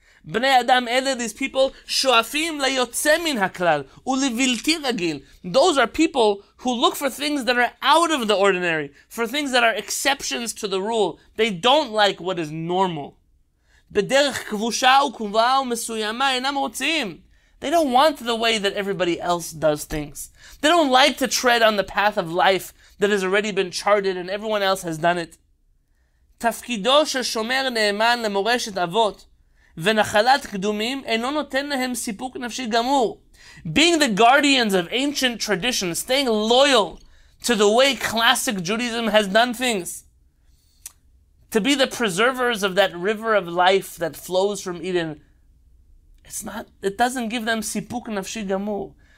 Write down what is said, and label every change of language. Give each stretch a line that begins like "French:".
Hebrew: בני אדם אלה,
English: these people,
Hebrew: שואפים ליוצא מן הכלל ולבלתי רגיל.
English: Those are people who look for things that are out of the ordinary, for things that are exceptions to the rule. They don't like what is normal.
Hebrew: בדרך כבושה וכבועה ומסוימה אינם רוצים.
English: They don't want the way that everybody else does things. They don't like to tread on the path of life that has already been charted and everyone else has done it.
Hebrew: תפקידו של שומר נאמן למורשת אבות ונחלת קדומים אינו נותן להם סיפוק נפשי גמור.
English: Being the guardians of ancient traditions, staying loyal to the way classic Judaism has done things, to be the preservers of that river of life that flows from Eden, it doesn't give them
Hebrew: sipuk nafshi gamur.